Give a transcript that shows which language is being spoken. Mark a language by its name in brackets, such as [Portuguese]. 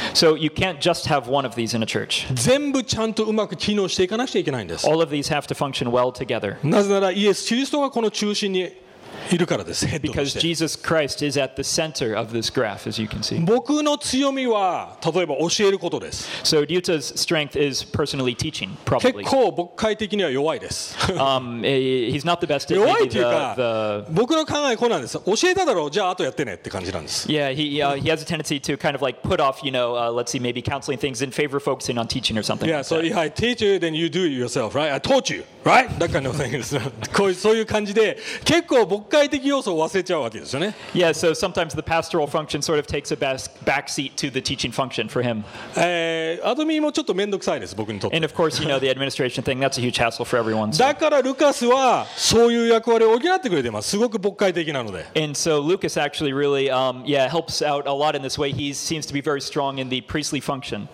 [English] So you can't just have one of these in a church. [Japanese] 全部ちゃんとうまく機能していかなくちゃいけないんです。 [English] All of these have to function well together. [Japanese] なぜならイエス・キリストがこの中心にいるからです。 [English] Because Jesus Christ is at the center of this graph, as you can see. [Japanese] 僕の強みは、例えば教えることです。 [English] So Ryuta's strength is personally teaching, probably. [Japanese] 結構牧会的には弱いです。 [English] He's not the best at maybe the [Japanese] 僕の考えはこうなんです。教えただろう、じゃあ後やってねって感じなんです。 [English] Yeah, he has a tendency to kind of like put off, you know, let's see, maybe counseling things in favor of focusing on teaching or something. Yeah, like so that. If I teach you, then you do it yourself, right? I taught you, right? That kind of thing. [Japanese] そういう感じで、結構牧会教会的要素を忘れちゃうわけですよね。 [English] Yeah, so sometimes the pastoral function sort of takes a backseat to the teaching function for him. [Japanese] アドミンもちょっと面倒くさいです、僕にとって。 [English] And of course, you know, the administration thing, that's a huge hassle for everyone. [Japanese] だからルカスはそういう役割を補ってくれてます。すごく牧会的なので。 [English] And so Lucas actually really, helps out a lot in this way. He seems to be very strong in the priestly function.